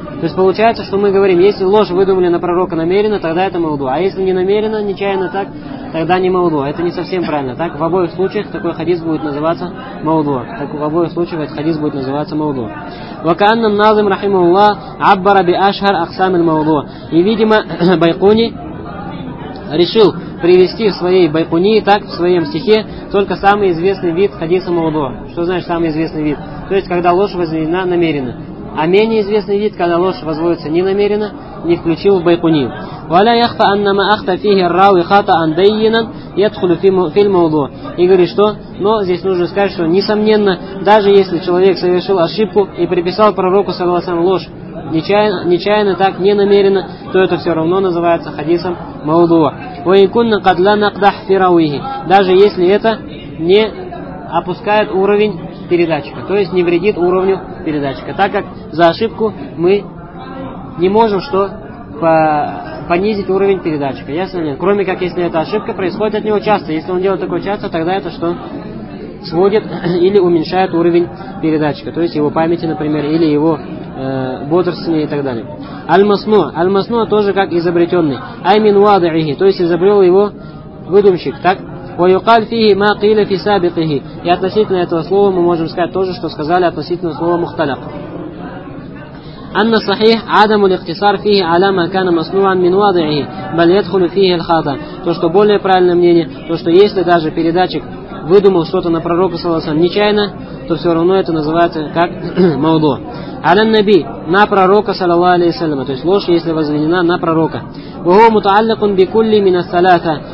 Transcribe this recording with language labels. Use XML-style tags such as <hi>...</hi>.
<ru>То есть получается, что мы говорим, если ложь выдумали на пророка намеренно, тогда это маудуа. А если не намеренно, нечаянно так, тогда не маудуа. Это не совсем правильно. Так, в обоих случаях такой хадис будет называться маудуа. Так, в обоих случаях этот хадис будет называться маудуа.</ru> <ar>وكأن الناظم رحمه الله عبر بأشهر أقسام الموضوع.</ar> <ru>И видимо Байкуни решил привести в своей Байкуни, так, в своем стихе только самый известный вид хадиса маудуа. Что значит самый известный вид? То есть когда ложь возведена намеренно. А менее известный вид, когда ложь возводится не намеренно, не включил в Байкуни.</ru> <ar>ولا يخفى أن ما أخطى فيه الراوي خطأ دينا يدخل في الموضوع.</ar> <ru>И говорит, что, но здесь нужно сказать, что несомненно, даже если человек совершил ошибку и приписал пророку, саллаллаху алейхи ва саллям, ложь, нечаянно так, не намеренно, то это все равно называется хадисом маудуа.</ru> <ar>Ва ин кунна кад ла накдах фи рауихи.</ar> <ru>Даже если это не опускает уровень передатчика, то есть не вредит уровню передатчика, так как за ошибку мы не можем что понизить уровень передатчика, ясно ли? Кроме как, если эта ошибка происходит от него часто. Если он делает такое часто, тогда это что? Сводит или уменьшает уровень передатчика, то есть его памяти, например, или его бодрствования и так далее. Аль-Маснуа. Аль-Маснуа тоже как изобретенный.</ru> <ar>Аймин вадиихи,</ar> <ru>то есть изобрел его выдумщик, так?</ru> <ar>Ва-юкаль фихи ма кыля фи сабикихи.</ar> <ru>И относительно этого слова мы можем сказать то же, что сказали относительно слова мухталяк.</ru> <ar>أن صحيح عدم الاقتصار فيه على ما كان مصنوعا من واضعه بل يدخل فيه الخطا.</ar> <ru>То, что более правильное мнение, то, что если даже передатчик выдумал что-то на пророка, саллаллаху алейхи ва саллям, нечаянно, то все равно это называется как мауду. Алян наби, на пророка, саллаллаху алейхи саляма. То есть ложь, если возведена на пророка.</ru> <ar>Вахуа мутааллакун бикулли мина саллата.</ar>